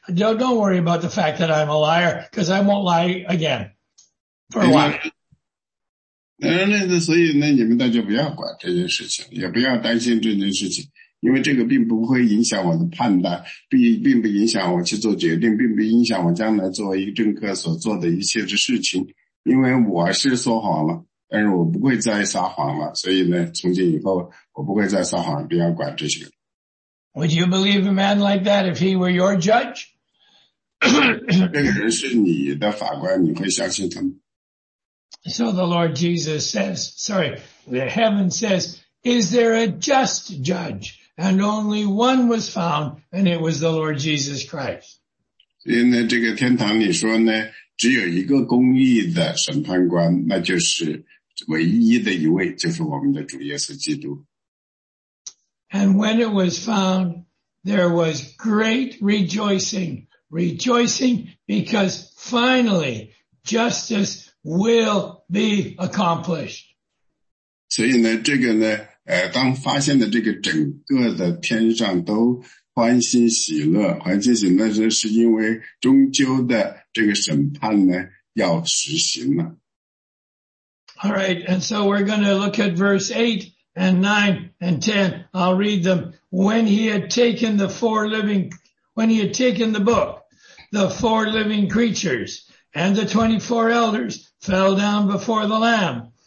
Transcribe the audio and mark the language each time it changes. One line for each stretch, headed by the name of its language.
English: Don't worry about the fact that I'm a liar, because I won't lie again for a while.
Chinese: 然后呢，所以呢，你们大家不要管这件事情，也不要担心这件事情，因为这个并不会影响我的判断，并不影响我去做决定，并不影响我将来作为一个政客所做的一切的事情，因为我是说谎了，但是我不会再撒谎了，所以呢，从今以后我不会再撒谎，不要管这些。
English: Would you believe a man like that if he were your judge?
Chinese: 这个人是你的法官，你会相信他吗？
English: So the Lord Jesus says, the heaven says, is there a just judge? And only one was found, and it was the Lord Jesus Christ.
Chinese: 所以呢，这个天堂里说呢，只有一个公义的审判官，那就是唯一的一位，就是我们的主耶稣基督。
English: And when it was found, there was great rejoicing because finally justice will be accomplished.
Chinese: 所以呢，这个呢，当发现的这个整个的天上都欢欣喜乐，这是因为终究的这个审判呢要实行了。
English: All right, and so we're going to look at verse 8. And 9 and 10, I'll read them. When he had taken the book, the four living creatures and the 24 elders fell down before the Lamb.